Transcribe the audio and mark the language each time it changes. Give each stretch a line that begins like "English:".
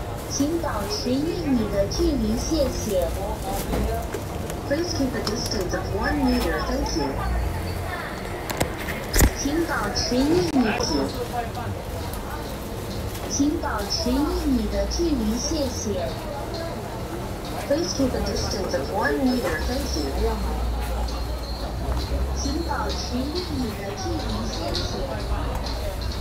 Chinese: 请保持一米的距离，谢谢。
English: Please keep a distance of 1 meter, thank you.
Chinese: 请保持一米的，请保持一米的距离，谢谢。
English: Please keep a distance of 1 meter, thank you.
Chinese: 请保持一米的距离，谢谢。